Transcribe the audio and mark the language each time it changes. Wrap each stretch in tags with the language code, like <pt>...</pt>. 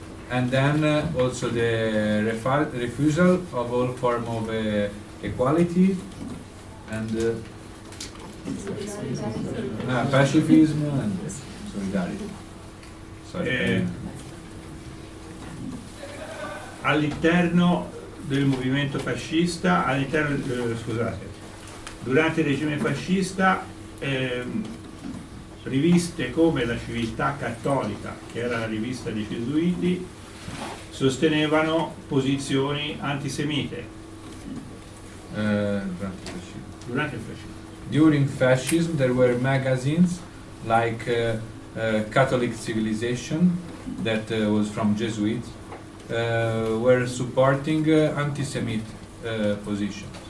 <en>And then also the refusal of all form of equality and pacifism and solidarity.</en> <it>All'interno del movimento fascista, all'interno scusate, durante il regime fascista, riviste come la Civiltà Cattolica, che era la rivista dei gesuiti, sostenevano posizioni antisemite. Durante il fascismo.</it> <en>During fascism, there were magazines like Catholic Civilization, that was from Jesuits, were supporting anti-Semitic positions.</en>